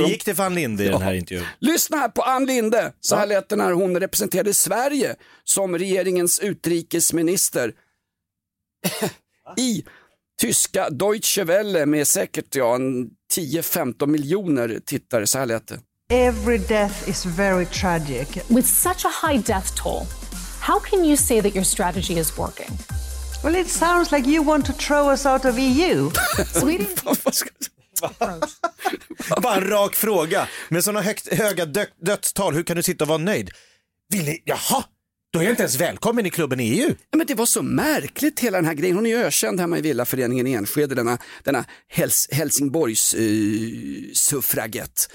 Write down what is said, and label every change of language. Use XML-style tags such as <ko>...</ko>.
<sv>Hur gick det för Ann Linde i den här intervjun? Lyssna här på Ann Linde. Så här lät det när hon representerade Sverige som regeringens utrikesminister. I tyska Deutsche Welle med säkert 10-15 miljoner tittare. Så här lät det.</sv> <en>Every death is very tragic. With such a high death toll, how can you say that your strategy is working? Well, it sounds like you want to throw us out of EU. Sweden.</en> <sv>Bara en rak fråga. Med sådana höga dödstal, hur kan du sitta och vara nöjd? Vill ni? Jaha, då är jag inte ens välkommen i klubben i EU. Men det var så märkligt, hela den här grejen. Hon är ju ökänd hemma i Villaföreningen i Enskede, denna Helsingborgs suffraget.</sv>